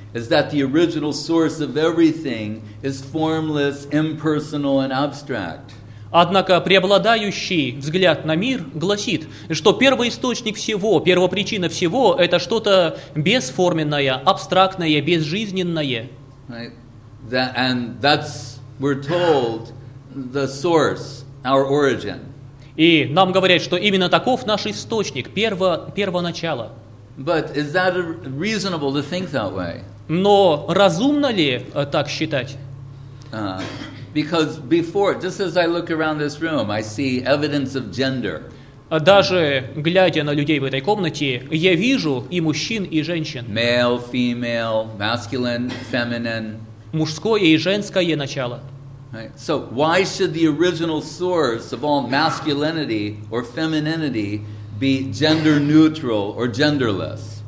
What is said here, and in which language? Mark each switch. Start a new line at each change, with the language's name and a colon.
English: Is that the original source of everything is formless, impersonal, and abstract.
Russian: Однако преобладающий взгляд на мир гласит, что первоисточник всего, первопричина всего – это что-то бесформенное, абстрактное, безжизненное.
English: Right. That, and that's, we're told, the source, our origin.
Russian: И нам говорят, что именно таков наш источник, первоначало.
English: But is that reasonable to think that way?
Russian: Но разумно ли так считать?
English: Because before, just as I look around this room, I see evidence of gender.
Russian: Даже глядя на людей в этой комнате, я вижу и мужчин, и женщин.
English: Male, female, masculine, feminine.
Russian: Мужское и женское начало.
English: Right. So why should the original source of all masculinity or femininity be gender neutral or genderless?